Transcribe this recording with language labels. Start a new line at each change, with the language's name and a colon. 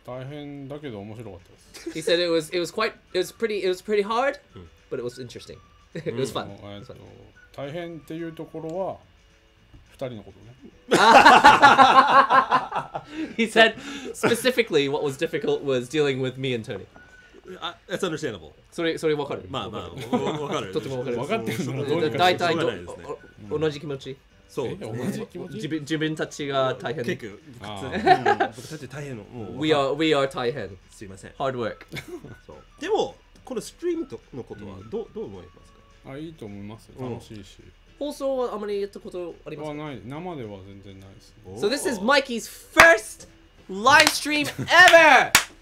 Japanese: 大変だけど面白かったです。
English: He said it was pretty hard, but it was interesting. It was fun.
Japanese: 大変っていうところは、二人のことね。
English: He said specifically what was difficult was dealing with me and Tony. That's understandable.
Japanese: それ分かる。まあまあ、分かる。とても分かる。分かってるのういうことか。大体同じ気持ち。そう、自分たちが大変。結構、僕たち大変の。
English: We are
Japanese: 大変。すいません。
English: Hard work。
Japanese: でも、このストリームのことはどう思いますか? あ、いいと思います。楽しいし。放送はあまりやったことありますか? ない。生では全然ないです。
English: So this is Mikey's first live stream ever!